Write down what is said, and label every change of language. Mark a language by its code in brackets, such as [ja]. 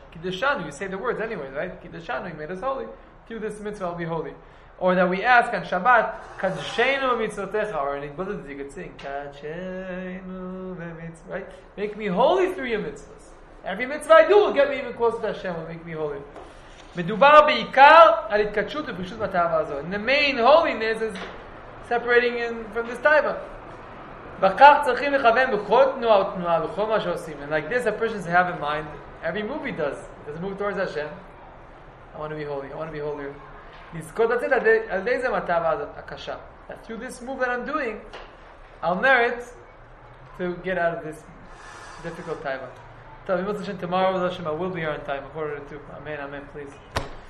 [en] Kiddushanu, you say the words anyway, right? Kiddushanu, he made us holy. Through this mitzvah, I'll be holy. Or that we ask on Shabbat, Kaddushenu v'mitzvotecha, or in Igbodot, you could sing, Kaddushenu v'mitzvah, right? Make me holy through your mitzvahs. Every mitzvah I do will get me even closer to Hashem, will make me holy. [he] מדובר בעיקר על התקדשות ופרישות בתאווה הזו. [en] And the main holiness is separating in from this taiva. [he] בכך צריכים לכוון בכל תנועה ותנועה, בכל מה שעושים. [en] And like this, a person should have in mind, every move he does, does a move towards Hashem. I want to be holy, I want to be holier. [he] לזכות לצאת על ידי זה מהתאווה הזאת, הקשה. [en] That through this move that I'm doing, I'll merit to get out of this difficult taiva. [he] טוב, אם רוצה שם, [en] tomorrow, I will be here on time, 1:45. Amen, amen, please.